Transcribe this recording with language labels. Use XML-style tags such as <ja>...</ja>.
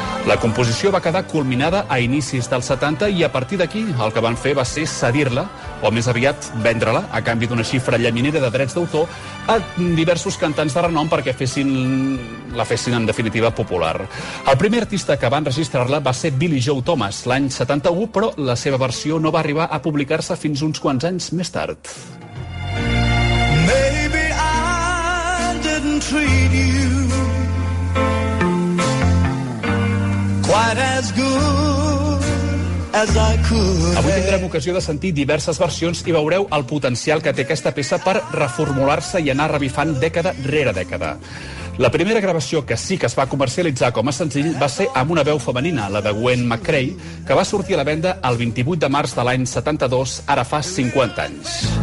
<ca>La composició va quedar culminada a inicis dels 70 i a partir d'aquí el que van fer va ser cedir-la, o més aviat vendre-la, a canvi d'una xifra llaminera de drets d'autor, a diversos cantants de renom perquè la fessin en definitiva popular. El primer artista que va enregistrar-la va ser Billy Joe Thomas l'any 71, però la seva versió no va arribar a publicar-se fins uns quants anys més tard.</ca> <en>Maybe I didn't treat you quite as good.</en> <ca>Avui tindrem ocasió de sentir diverses versions i veureu el potencial que té aquesta peça per reformular-se i anar revifant dècada rere dècada. La primera gravació que sí que es va comercialitzar com a senzill va ser amb una veu femenina, la de Gwen McCrae, que va sortir a la venda el 28 de març de l'any 72, ara fa 50 anys.</ca>